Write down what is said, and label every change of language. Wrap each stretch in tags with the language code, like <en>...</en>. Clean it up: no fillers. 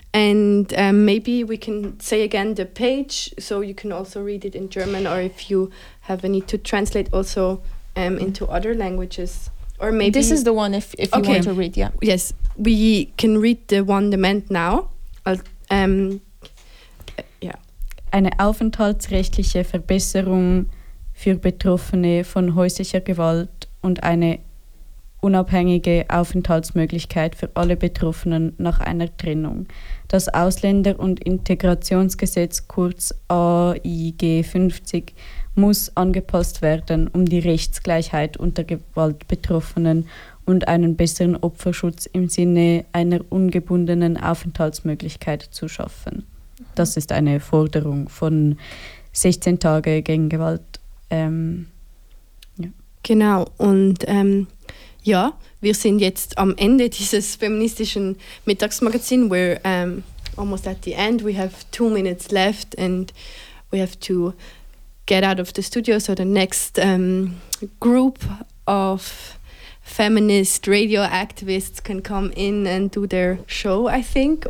<en>and maybe we can say again the page so you can also read it in German, or if you have a need to translate also into other languages. Or maybe this is the one if you want to read, yeah. Yes, we can read the one demand now.</en> <de>Eine aufenthaltsrechtliche Verbesserung für Betroffene von häuslicher Gewalt und eine unabhängige Aufenthaltsmöglichkeit für alle Betroffenen nach einer Trennung. Das Ausländer- und Integrationsgesetz, kurz AIG 50, muss angepasst werden, um die Rechtsgleichheit unter Gewaltbetroffenen und einen besseren Opferschutz im Sinne einer ungebundenen Aufenthaltsmöglichkeit zu schaffen. Das ist eine Forderung von 16 Tage gegen Gewalt. Genau, und ja, wir sind jetzt am Ende dieses feministischen Mittagsmagazins.</de> <en>We're almost at the end. We have 2 minutes left and we have to get out of the studio. So the next group of feminist radio activists can come in and do their show, I think.</en>